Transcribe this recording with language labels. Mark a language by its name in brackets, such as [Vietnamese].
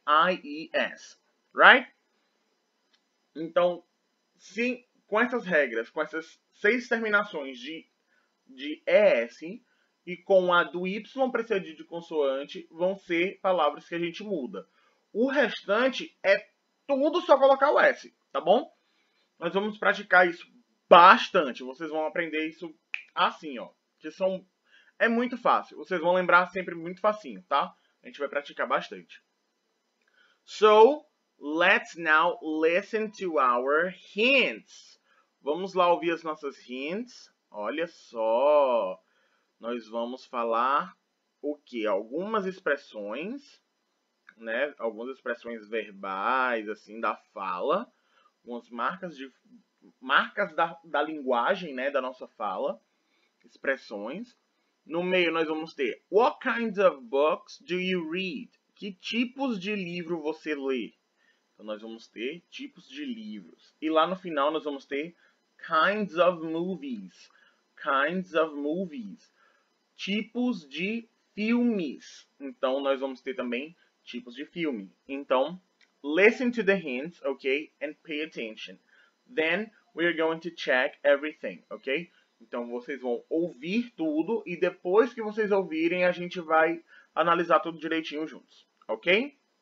[English] I-E-S, right? [Portuguese] Então, sim, com essas regras, com essas seis terminações de ES e com a do Y precedido de consoante, vão ser palavras que a gente muda. O restante é tudo só colocar o S, tá bom? Nós vamos praticar isso bastante. Vocês vão aprender isso assim, ó. Que são. É muito fácil. Vocês vão lembrar sempre muito facinho, tá? A gente vai praticar bastante. [English] So, let's now listen to our hints. [Portuguese] Vamos lá ouvir as nossas hints. Olha só. Nós vamos falar o quê? Algumas expressões, né? Algumas expressões verbais, assim, da fala. Algumas marcas da linguagem, né? Da nossa fala. Expressões. No meio, nós vamos ter: [English] What kinds of books do you read? [Portuguese] Que tipos de livro você lê? Então, nós vamos ter tipos de livros. E lá no final, nós vamos ter: [English] Kinds of movies. Kinds of movies. [Portuguese] Tipos de filmes. Então, nós vamos ter também tipos de filme. Então, [English] listen to the hints, ok? And pay attention. Then, we are going to check everything, ok? [Portuguese] Então, vocês vão ouvir tudo e depois que vocês ouvirem, a gente vai analisar tudo direitinho juntos, ok?